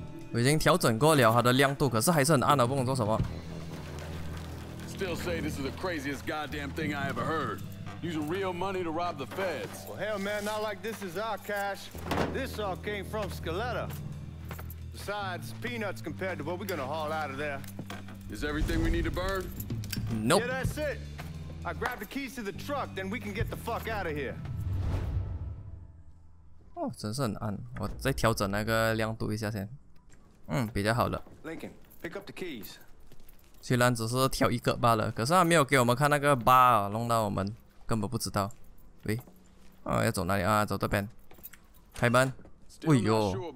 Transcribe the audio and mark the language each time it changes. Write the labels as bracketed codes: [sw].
[zh] 我已经调整过了它的亮度，可是还是很暗的，不能做什么。 [en] Still say this is the craziest goddamn thing I ever heard. Using real money to rob the feds. Well, hell, man, not like this is our cash. This all came from Skeletta. Besides, peanuts compared to what we're gonna haul out of there. Is everything we need to burn? Nope. Yeah, that's it. I grab the keys to the truck, then we can get the fuck out of here. [zh] 哦，真是很暗。我再调整那个亮度一下先。比较好了。 [en] Lincoln, pick up the keys. [zh] 虽然只是调一个罢了，可是他没有给我们看那个疤，弄到我们。根本不知道，喂，啊，要走哪里啊？走这边，开门。哎呦！